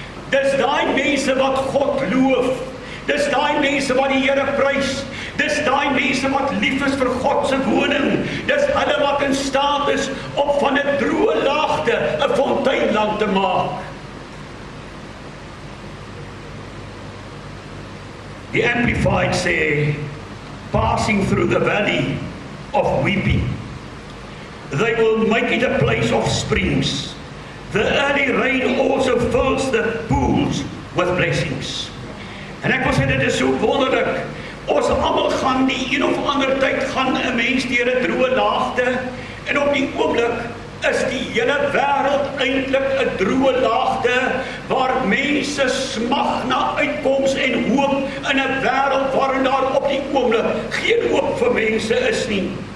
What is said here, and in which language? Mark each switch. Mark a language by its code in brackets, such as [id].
[af] Dis daai mense wat God loof. Dis daai mense wat die Here prys. Dis daai mense wat lief is vir God se woning. Dis hulle wat in staat is om van 'n droë laagte 'n fonteinland te maak. [en] Die Amplified sê, passing through the valley of weeping, they will make it a place of springs. The early rain also fills the pools with blessings. [af] En ek wil sê, dit is so wonderlik. Ons allemaal gaan die een of ander tyd gaan een mens deur 'n droë laagte, en op die oomblik is die hele wêreld eintlik 'n droë laagte waar mense smag na uitkoms en hoop in 'n wêreld waarin daar op die oomblik geen hoop vir mense is nie.